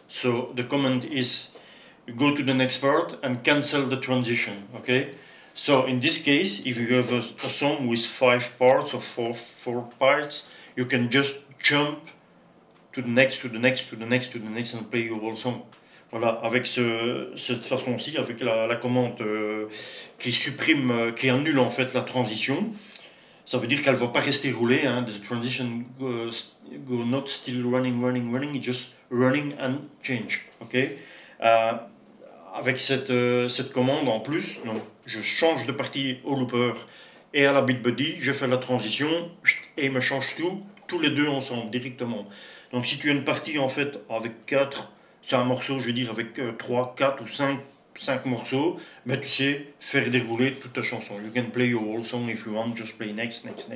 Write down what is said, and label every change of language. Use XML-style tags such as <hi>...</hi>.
<en>So the command is go to the next part and cancel the transition. Okay. So in this case, if you have a song with five parts or four parts, you can just jump to the next, to the next, to the next, to the next, and play your whole song.</en> <fr>Voilà, avec cette façon-ci, avec la commande qui supprime, qui annule en fait la transition, ça veut dire qu'elle ne va pas rester roulée. Hein.</fr> <en>The transition go not still running, just running and change. Okay?</en> <fr>Avec cette commande en plus, donc, je change de partie au looper et à la beatbody, je fais la transition et me change tous les deux ensemble directement. Donc si tu as une partie en fait avec 4, c'est un morceau, je veux dire, avec 3, 4 ou 5 morceaux, mais tu sais, faire dérouler toute ta chanson.</fr> <en>You can play your whole song if you want, just play next.</en>